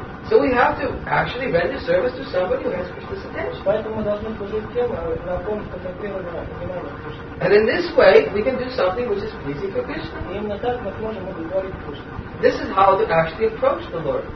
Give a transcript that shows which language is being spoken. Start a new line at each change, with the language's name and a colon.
English: So we have to actually render service to somebody who has Krishna's attention.
Russian: Поэтому мы должны служить тем, на ком сконцентрировано внимание Кришны.
English: And in this way, we can do something which is pleasing for Krishna.
Russian: И именно так мы сможем удовлетворить Кришну.
English: This is how to actually approach the Lord.